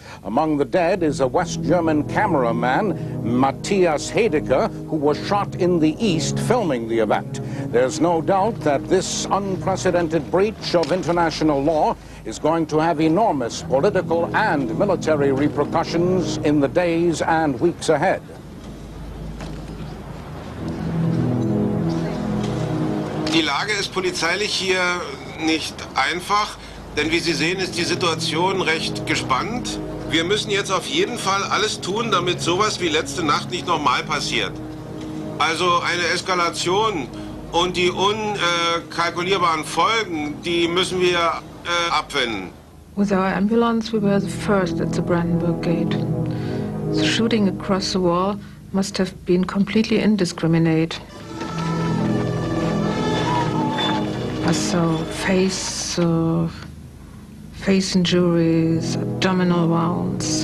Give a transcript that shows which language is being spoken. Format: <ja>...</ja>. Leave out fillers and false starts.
<en>Among the dead is a West German cameraman, Matthias Heidecker, who was shot in the East filming the event. There's no doubt that this unprecedented breach of international law is going to have enormous political and military repercussions in the days and weeks ahead.</en> <de>Die Lage ist polizeilich hier nicht einfach, denn wie Sie sehen, ist die Situation recht gespannt. Wir müssen jetzt auf jeden Fall alles tun, damit sowas wie letzte Nacht nicht nochmal passiert. Also eine Eskalation und die unkalkulierbaren Folgen, die müssen wir abwenden.</de> <en>With our ambulance, we were the first at the Brandenburg Gate. The shooting across the wall must have been completely indiscriminate. So face injuries, abdominal wounds.</en>